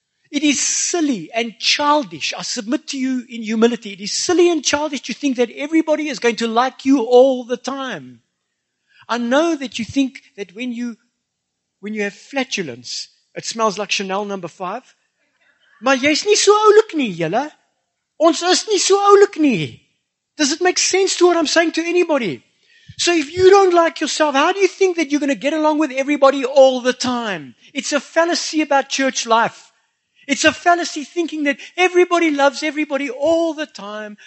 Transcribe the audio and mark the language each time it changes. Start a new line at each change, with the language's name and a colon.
English: It is silly and childish. I submit to you in humility. It is silly and childish to think that everybody is going to like you all the time. I know that you think that when you have flatulence, it smells like Chanel number 5.
Afrikaans: Maar jy is nie so oulik nie, julle. Ons is nie so oulik nie.
English: Does it make sense to what I'm saying to anybody? So if you don't like yourself, how do you think that you're going to get along with everybody all the time? It's a fallacy about church life. It's a fallacy thinking that everybody loves everybody all the time.